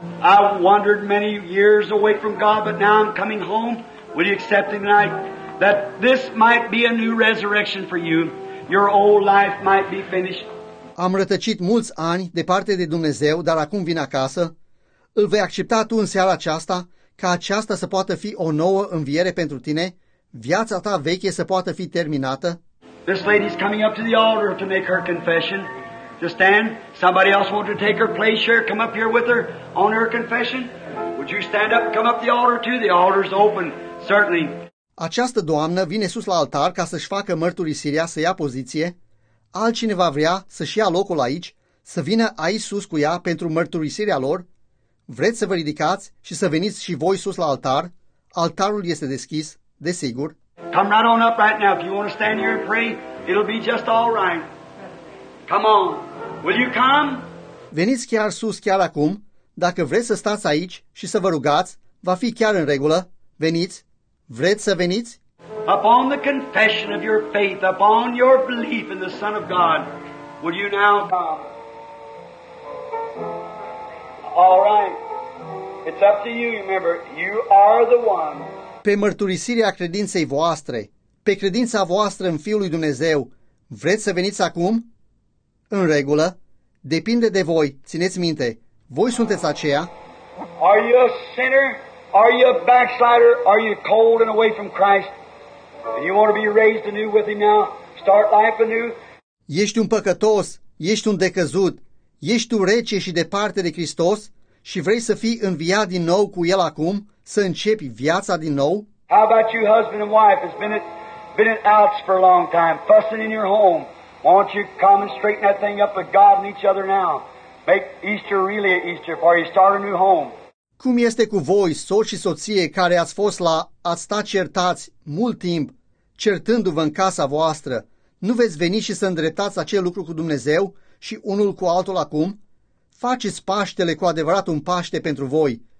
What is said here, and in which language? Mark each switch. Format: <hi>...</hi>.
<en>I wandered many years away from God, but now I'm coming home. Will you accept him tonight? That this might be a new resurrection for you. Your old life might be finished.</en> <ro>Am rătăcit mulți ani departe de Dumnezeu, dar acum vin acasă. Îl vei accepta tu în seara aceasta, ca aceasta să poată fi o nouă înviere pentru tine, viața ta veche să poată fi terminată.</ro> <en>This lady's coming up to the altar to make her confession. To stand. Somebody else want to take her place here. Come up here with her on her confession. Would you stand up and come up the altar too? The altar's open. Certainly.</en> <ro>Această doamnă vine sus la altar ca să-și facă mărturisirea, să ia poziție. Altcineva vrea să-și ia locul aici, să vină aici sus cu ea pentru mărturisirea lor? Vreți să vă ridicați și să veniți și voi sus la altar? Altarul este deschis, desigur.</ro> <en>Come right on up right now. If you want to stand here and pray, it'll be just all right. Come on. Will you come?</en> <ro>Veniți chiar sus, chiar acum. Dacă vreți să stați aici și să vă rugați, va fi chiar în regulă. Veniți. Vreți să veniți?</ro> <en>Upon the confession of your faith, upon your belief in the Son of God, will you now come? All right. It's up to you, remember. You are the one.</en> <ro>Pe mărturisirea credinței voastre, pe credința voastră în Fiul lui Dumnezeu, vreți să veniți acum? În regulă. Depinde de voi. Țineți minte. Voi sunteți aceia.</ro> <en>Are you a sinner? Are you a backslider? Are you cold and away from Christ? And you want to be raised anew with him now? Start life anew?</en> <ro>Ești un păcătos? Ești un decăzut? Ești tu rece și departe de Hristos? Și vrei să fii înviat din nou cu El acum? Să începi viața din nou?</ro> <en>How about you, husband and wife? It's been at outs for a long time. Fussing in your home. Won't you come and straighten that thing up with God and each other now? Make Easter really an Easter for you. Start a new home.</en> <ro>Cum este cu voi, soți și soție, care ați fost la a sta certați mult timp, certându-vă în casa voastră? Nu veți veni și să îndreptați acel lucru cu Dumnezeu și unul cu altul acum? Faceți Paștele cu adevărat un Paște pentru voi.</ro>